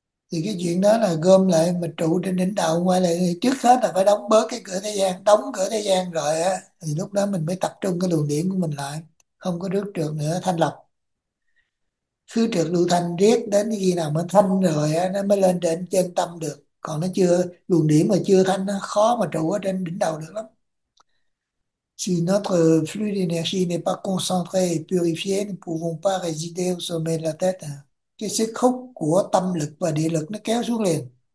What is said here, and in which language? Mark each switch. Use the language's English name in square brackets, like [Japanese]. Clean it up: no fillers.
[Vietnamese] Thì cái chuyện đó là gom lại mà trụ trên đỉnh đầu, ngoài lại trước hết là phải đóng bớt cái cửa thế gian, đóng cửa thế gian rồi á thì lúc đó mình mới tập trung cái luồng điển của mình lại, không có trước trượt nữa, thanh lọc xứ trượt lưu thanh, riết đến khi nào mà thanh rồi á nó mới lên trên chân tâm được. Còn nó chưa, luồng điển mà chưa thanh nó khó mà trụ ở trên đỉnh đầu được lắm. [French] Si notre flux d'énergie n'est pas concentré et purifié, nous ne pouvons pas résider au sommet de la tête. [Vietnamese] Cái sức hút của tâm lực và địa lực nó kéo xuống liền.